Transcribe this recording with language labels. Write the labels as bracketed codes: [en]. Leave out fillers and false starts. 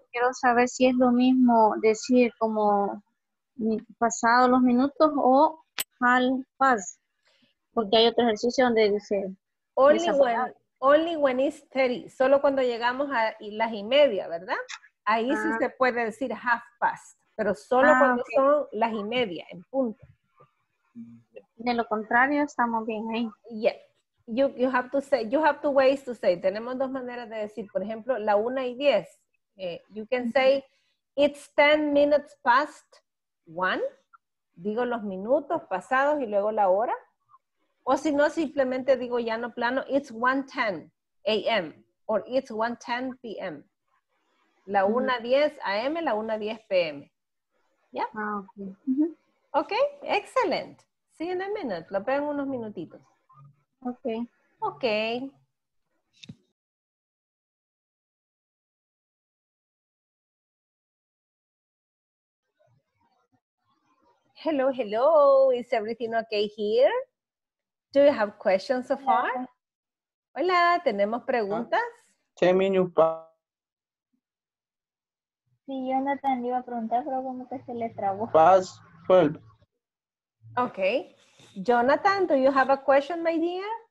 [es] Quiero saber si es lo mismo decir como pasado los minutos o al pas, porque hay otro ejercicio donde dice [en] only when it's 30, [es] solo cuando llegamos a las y media, ¿verdad? Ahí sí se puede decir half past, pero solo cuando son las y media, en punto. De lo contrario, estamos bien ahí. [en] Yeah. You have to say, you have two ways to say. [es] Tenemos dos maneras de decir, por ejemplo, la 1:10. [en] You can say, it's 10 minutes past 1. [es] Digo los minutos pasados y luego la hora. O si no, simplemente digo ya no plano, [en] it's 1:10 a.m. or it's 1:10 p.m. [es] La 1:10 a.m., la 1:10 p.m. ¿Ya? [en] Yeah? Ah, okay. Mm-hmm. Ok, excelente. See you in a minute. [es] Lo veo en unos minutitos. [en] Ok. Ok. Hello, hello. Is everything okay here? Do you have questions so far? Yeah. [es] Hola, ¿tenemos preguntas? Sí, yo no te iba a preguntar, pero como que se le trabó. Pas 12. [en] Okay. Jonathan, do you have a question, my dear?